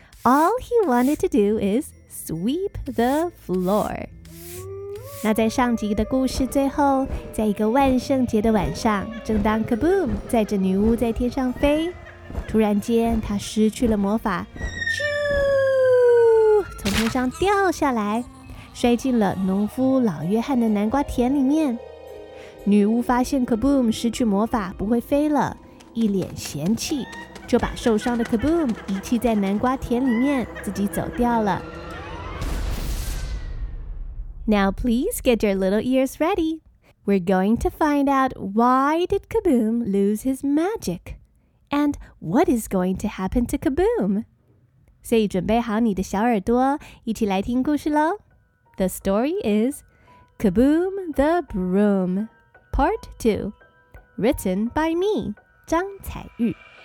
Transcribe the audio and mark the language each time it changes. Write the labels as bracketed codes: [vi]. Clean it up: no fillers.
[en] All he wanted to do is sweep the floor. [zh] 那在上集的故事最后，在一个万圣节的晚上，正当 Kaboom 载着女巫在天上飞，突然间他失去了魔法，啾，从天上掉下来，摔进了农夫老约翰的南瓜田里面。女巫发现 Kaboom 失去魔法不会飞了，一脸嫌弃，就把受伤的 Kaboom 遗弃在南瓜田里面，自己走掉了。 [en] Now please get your little ears ready. We're going to find out why did Kaboom lose his magic? And what is going to happen to Kaboom? [zh] 所以准备好你的小耳朵，一起来听故事咯。 [en] The story is Kaboom the Broom, Part 2, written by me, 张彩玉。